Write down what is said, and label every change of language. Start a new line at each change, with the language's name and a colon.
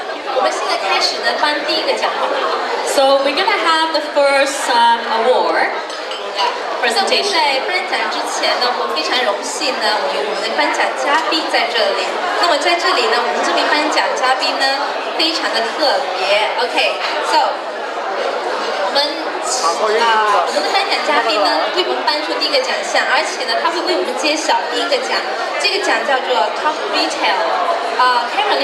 Chinese: 我们现在开始呢，颁第一个奖。
English: So we're gonna have the first award presentation.
Chinese: 在颁奖之前呢，我们非常荣幸呢，我们有我们的颁奖嘉宾在这里。那么在这里呢，我们这位颁奖嘉宾呢，非常的特别。OK，So 我们的颁奖嘉宾呢，为我们颁出第一个奖项，而且呢，他会为我们揭晓第一个奖。这个奖叫做 Top Retail。